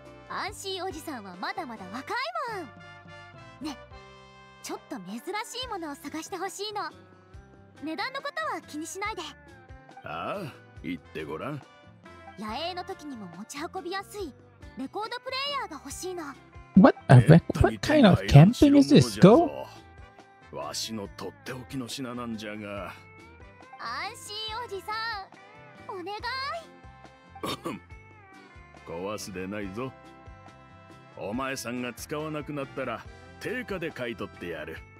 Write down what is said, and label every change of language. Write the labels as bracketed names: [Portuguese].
[Japanese] 安心おじさんはまだまだ若いもんね。ちょっと珍しいものを探してほしいの。値段のことは気にしないで。ああ、言ってごらん。野営の時にも持ち運びやすいレコードプレイヤーが欲しいの。 [English] What a what kind of camping is this? Go。 [Japanese] わしのとっておきの品なんじゃが。安心おじさん、お願い。壊すでないぞ。お前さんが使わなくなったら定価で買い取ってやる。